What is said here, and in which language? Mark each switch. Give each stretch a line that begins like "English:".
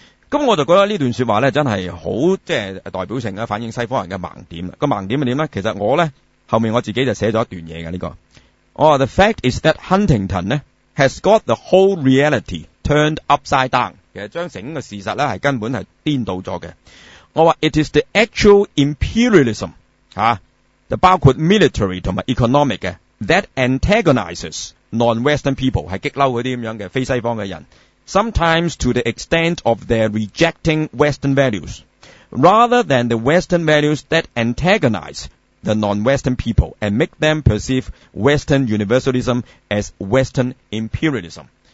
Cantonese: 咁我就覺得呢段說話呢真係好即係代表性嘅反映西方人嘅盲點。個盲點係點呢？其實我呢後面我自己就寫咗一段嘢嘅呢個。
English: Oh, the fact is that Huntington 呢 has got the whole reality turned upside down.
Cantonese: 其實將整個事實是根本是顛倒了的。我說
English: It is the actual imperialism、包括 military 和 economic that antagonizes non-Western people，
Cantonese: 是激怒那些這樣的非西方的人，
English: sometimes to the extent of their rejecting Western values rather than the Western values that antagonize the non-Western people and make them perceive Western universalism as Western imperialism。